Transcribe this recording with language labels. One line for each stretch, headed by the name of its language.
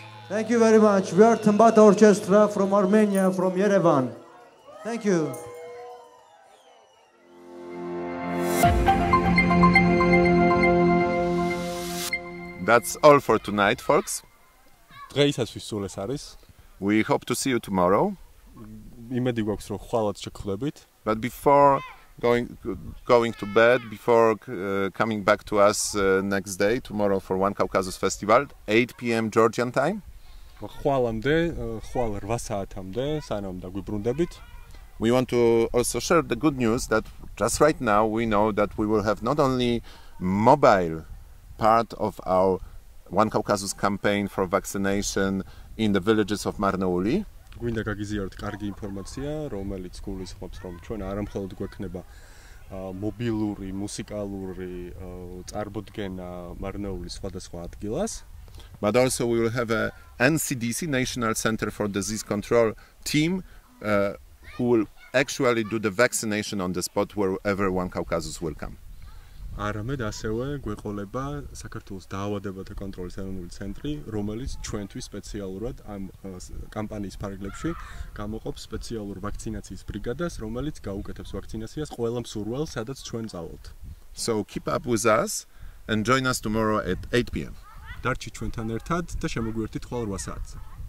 English: We are TmbaTa Orchestra from Armenia, from Yerevan. Thank you. That's all for tonight, folks.
Georgian: დღეისათვის სულ ეს არის.
English: We hope to see you tomorrow.
Georgian: იმედი გვაქვს, რომ ხვალაც შეგხვდებით.
English: But before going to bed, before coming back to us next day, tomorrow for One Caucasus Festival, 8 p.m. Georgian time.
Georgian: ხვალამდე, ხვალ 8 საათამდე სანამ დაგვიბრუნდებით.
English: We want to also share the good news that just right now we know that we will have not only mobile part of our One Caucasus campaign for vaccination in the villages of Marnouli.
Georgian: გვინდა გაგიზიაროთ კარგი ინფორმაცია, რომელიც გულისხმობს, რომ ჩვენ არამხოლოდ გვექნება მობილური მუსიკალური წარმოდგენა მარნეულის სხვადასხვა ადგილას.
English: But also we will have a NCDC National Center for Disease Control team who will actually do the vaccination on the spot wherever one Caucasus will come.
Georgian: არამედ ასევე გვეყოლება საქართველოს დაავადებათა კონტროლის ეროვნული ცენტრი, რომელიც ჩვენთვის სპეციალურად ამ კამპანიის ფარგლებში გამოყოფს სპეციალურ ვაქცინაციის ბრიგადას, რომელიც გაუკეთებს ვაქცინაციას ყველა მსურველ, სადაც ჩვენ წავალთ.
English: So keep up with us and join us tomorrow at 8 p.m.
Georgian: დარჩი ჩვენთან ერთად და შემოგვიერთდით ხოლმე 8 საათზე.